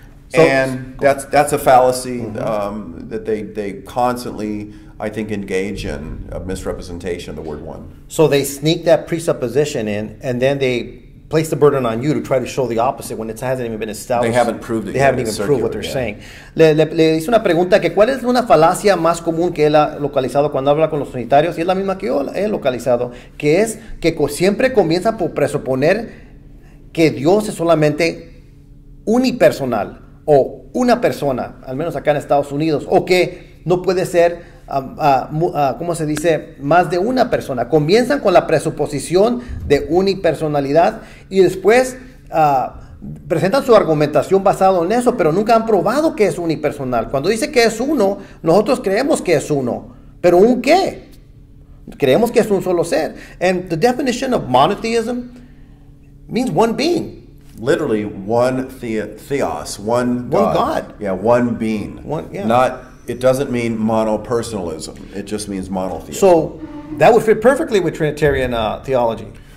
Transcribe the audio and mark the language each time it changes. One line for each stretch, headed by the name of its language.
English: So, and that's a fallacy that they constantly, I think, engage in a misrepresentation of the word one. So they sneak that presupposition in, and then they place the burden on you to try to show the opposite when it hasn't even been established. They haven't proved it. They haven't even proved what they're saying.
Spanish: Le hice una pregunta que cuál es una falacia más común que él ha localizado cuando habla con los unitarios, y es la misma que yo he localizado, que es que siempre comienza por presuponer que Dios es solamente unipersonal o una persona, al menos acá en Estados Unidos, o que no puede ser ¿cómo se dice? Más de una persona. Comienzan con la presuposición de unipersonalidad y después presentan su argumentación basado en eso, pero nunca han probado que es unipersonal. Cuando dice que es uno, nosotros creemos que es uno, pero ¿un qué? Creemos que es un solo ser.
English: And the definition of monotheism means one being. Literally, one theos, one God. One God. Yeah, one being. One, yeah. Not... It doesn't mean monopersonalism. It just means monotheism. So that would fit perfectly with Trinitarian theology.